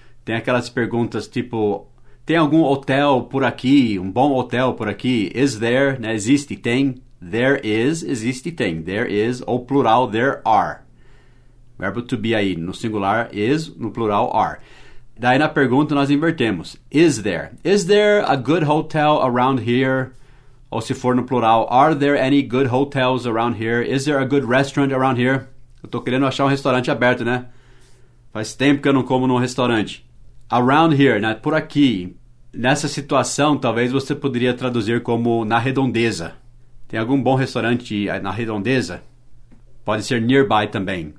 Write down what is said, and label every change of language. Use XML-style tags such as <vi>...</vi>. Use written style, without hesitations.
<pt>Tem aquelas perguntas tipo, tem algum hotel por aqui, um bom hotel por aqui? Is there, né? Existe, tem. There is, existe, tem. There is, ou plural, there are. Verbo to be aí, no singular, is, no plural, are. Daí na pergunta nós invertemos.</pt> <en>Is there? Is there a good hotel around here?</en> <pt>Ou se for no plural,</pt> <en>are there any good hotels around here? Is there a good restaurant around here?</en> <pt>Eu tô querendo achar um restaurante aberto, né? Faz tempo que eu não como num restaurante. Around here, né? Por aqui. Nessa situação, talvez você poderia traduzir como na redondeza. Tem algum bom restaurante na redondeza? Pode ser nearby também.</pt>